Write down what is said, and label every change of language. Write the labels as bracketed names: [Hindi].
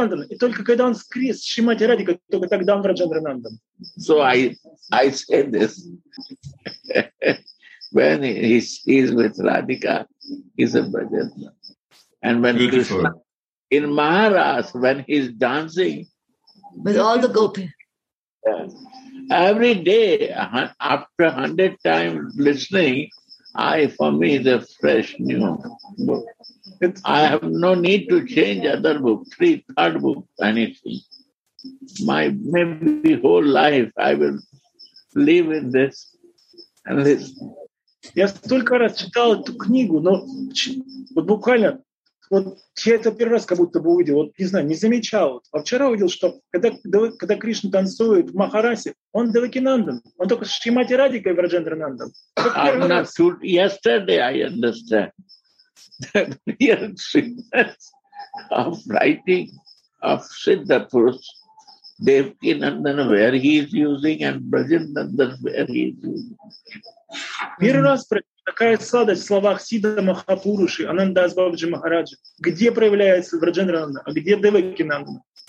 [Russian] И только когда он с Крис, Шримати Радика, только тогда он Браджендрананда. [English] So I say this. When he is with Radhika, he's a bhajana. And when Krishna, in Maharas, when he's dancing. With all the gopis. Every day, after 100 times listening, for me, is a fresh new book. I have no need to change other book, third book, anything. My whole life, I will live in this and listen. [Russian] Я столько раз читал эту книгу, но вот буквально, вот я это первый раз как будто бы увидел, вот не знаю, не замечал. А вчера увидел, что когда Кришна танцует в Махарасе, он Девакинандан, он только с Шримати Радикой Враджендранандан. [English] Yesterday I understand that real sweetness of writing of Siddha Purush, Devakinandan where he is using and Vrajendranandan where he is using. [Russian] Первый раз такая сладость в словах Сидда Махапуруши, Анандас Бабджи Махараджа. Где проявляется Враджендрананда, а где Девакинанда?